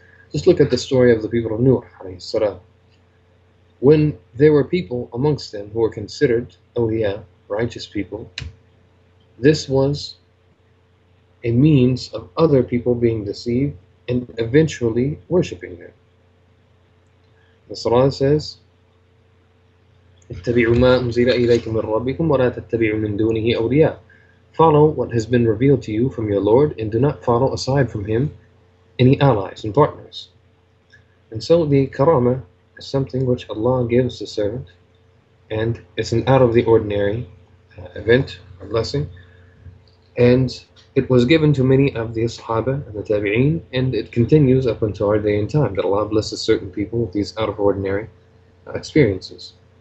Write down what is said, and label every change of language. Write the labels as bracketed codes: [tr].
[en] Just look at the story of the people of Nuh, alayhi salam. When there were people amongst them who were considered awliya, righteous people, this was a means of other people being deceived and eventually worshipping them. The Surah says, [ar] اتَّبِعُوا مَا أُنزِلَ إِلَيْكُمْ مِنْ رَبِّكُمْ وَلَا تَتَّبِعُوا مِنْ دُونِهِ أَوْلِيَا. [en] Follow what has been revealed to you from your Lord and do not follow aside from him any allies and partners. And so the karama is something which Allah gives the servant, and it's an out of the ordinary event or blessing, and it was given to many of the Ashaba and the Tabi'een, and it continues up until our day and time, that Allah blesses certain people with these out of ordinary experiences.